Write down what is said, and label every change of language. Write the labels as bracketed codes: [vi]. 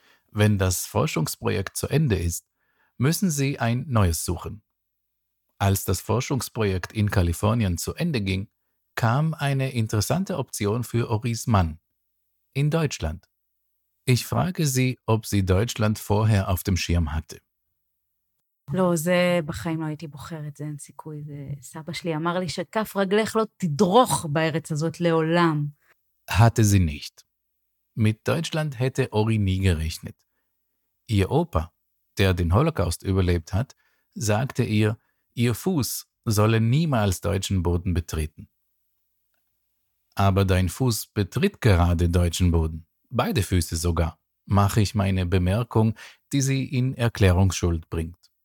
[de] Wenn das Forschungsprojekt zu Ende ist, müssen sie ein neues suchen. Als das Forschungsprojekt in Kalifornien zu Ende ging, kam eine interessante Option für Oris Mann in Deutschland. Ich frage sie, ob sie Deutschland vorher auf dem Schirm hatte. [he] לא, זה בחיים לא הייתי בוחרת, זה אין סיכוי, זה סבא שלי אמר לי שכף רגלך לא תדרוך בארץ הזאת לעולם. [de] Hatte sie nicht. Mit Deutschland hätte Ori nie gerechnet. Ihr Opa, der den Holocaust überlebt hat, sagte ihr, ihr Fuß solle niemals deutschen Boden betreten. Aber dein Fuß betritt gerade deutschen Boden, beide Füße sogar, mache ich meine Bemerkung, die sie in Erklärungsschuld bringt.